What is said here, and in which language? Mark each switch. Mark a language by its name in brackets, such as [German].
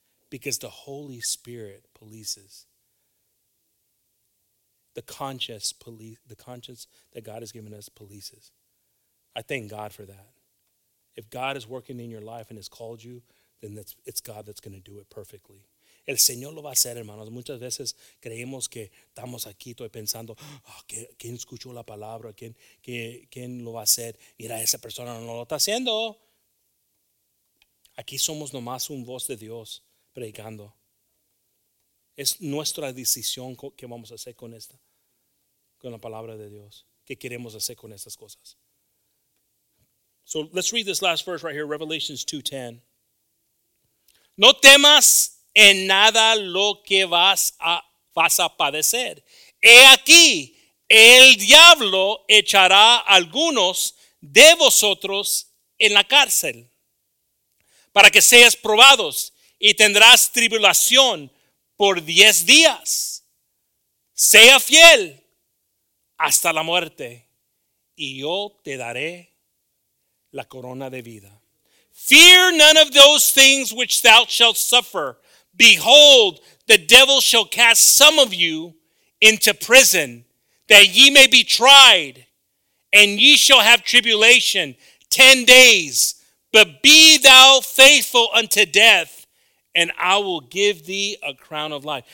[English] Because the Holy Spirit polices. The conscience that God has given us polices. I thank God for that. If God is working in your life and has called you, then it's God that's going to do it perfectly. [Spanish] El Señor lo va a hacer, hermanos. Muchas veces creemos que estamos aquí, estoy pensando, ¿quién escuchó la palabra? ¿Quién lo va a hacer? Mira, esa persona no lo está haciendo. Aquí somos nomás un voz de Dios predicando. Es nuestra decisión que vamos a hacer con esta, con la palabra de Dios. ¿Qué queremos hacer con estas cosas? [English] So let's read this last verse right here, Revelations 2:10. [Spanish] No temas en nada lo que vas a padecer. He aquí, el diablo echará algunos de vosotros en la cárcel para que seas probados y tendrás tribulación por 10 días. Sea fiel hasta la muerte y yo te daré la corona de vida. [English] Fear none of those things which thou shalt suffer. Behold, the devil shall cast some of you into prison, that ye may be tried, and ye shall have tribulation 10 days. But be thou faithful unto death, and I will give thee a crown of life.